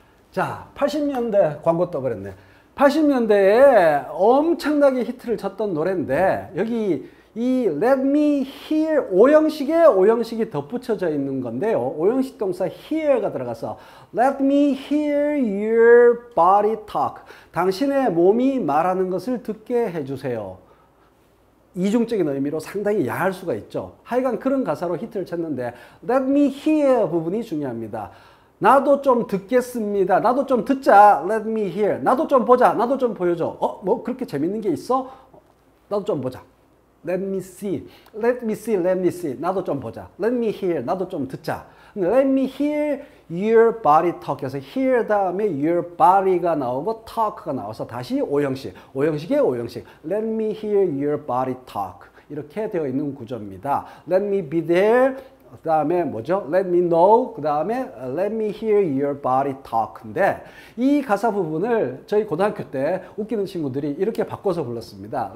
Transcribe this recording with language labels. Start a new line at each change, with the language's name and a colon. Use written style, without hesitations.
Korean: 자, 80년대 광고 떠버렸네. 80년대에 엄청나게 히트를 쳤던 노래인데 여기 이
English: Let me hear
Korean: 5형식에 5형식이 덧붙여져 있는 건데요. 5형식 동사 hear가 들어가서
English: Let me hear your body talk.
Korean: 당신의 몸이 말하는 것을 듣게 해주세요. 이중적인 의미로 상당히 야할 수가 있죠. 하여간 그런 가사로 히트를 쳤는데 Let me hear 부분이 중요합니다. 나도 좀 듣겠습니다. 나도 좀 듣자.
English: Let me hear.
Korean: 나도 좀 보자. 나도 좀 보여줘. 어? 뭐 그렇게 재밌는 게 있어? 나도 좀 보자.
English: Let me see. Let me see. Let me see. 나도 좀 보자. Let me hear.
Korean: 나도 좀 듣자.
English: Let me hear your body talk.
Korean: 해서 hear 다음에 your body가 나오고 talk가 나와서 다시 5형식. 5형식에 5형식.
English: Let me hear your body talk.
Korean: 이렇게 되어 있는 구조입니다.
English: Let me be there.
Korean: 그 다음에 뭐죠?
English: Let me know.
Korean: 그 다음에
English: Let me hear your body talk.
Korean: 근데 이 가사 부분을 저희 고등학교 때 웃기는 친구들이 이렇게 바꿔서 불렀습니다.